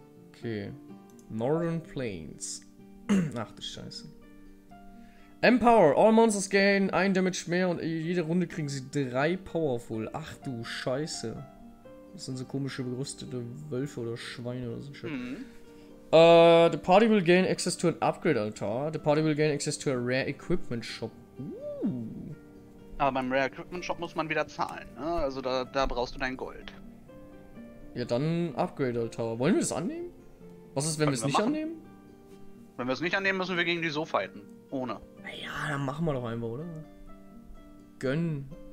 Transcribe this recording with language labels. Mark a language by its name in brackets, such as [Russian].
[German] Okay. Northern Plains. Ach, du Scheiße. Empower. [English] All Monsters gain 1 Damage [German] mehr und jede Runde kriegen sie 3 Powerful. Ach, du Scheiße. Das sind so komische, gerüstete Wölfe oder Schweine oder so. [English] The party will gain access to an Upgrade Altar. The party will gain access to a Rare Equipment Shop. [German] Aber beim Rare Equipment Shop muss man wieder zahlen. Ne? Also da brauchst du dein Gold. Ja, dann Upgrade Altar. Wollen wir das annehmen? Was ist, wenn wir es nicht machen? Annehmen? Wenn wir es nicht annehmen, müssen wir gegen die so fighten. Ohne. Naja, dann machen wir doch einfach, oder? Gönn.